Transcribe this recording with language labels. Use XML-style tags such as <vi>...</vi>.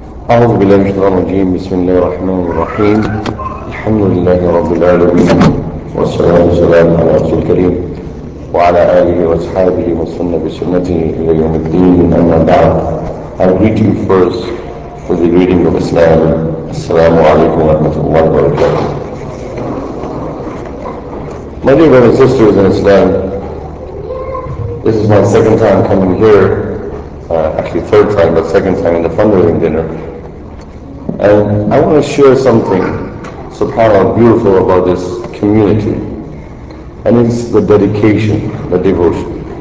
<ar>أعوذ بالله من الشيطان الرجيم. بسم الله الرحمن الرحيم. الحمد لله رب العالمين، والصلاة والسلام على رسول الكريم وعلى آله وأصحابه وسلم بسنته إلى يوم الدين. أما بعد،</ar> <en>I greet you first for the reading of Islam.</en> <ar>السلام عليكم ورحمة الله وبركاته.</ar> <en>My dear brothers and sisters in Islam, this is my second time coming here, actually third time in the fundraising dinner. And I want to share something subhanAllah beautiful about this community, and it's the dedication, the devotion.</en>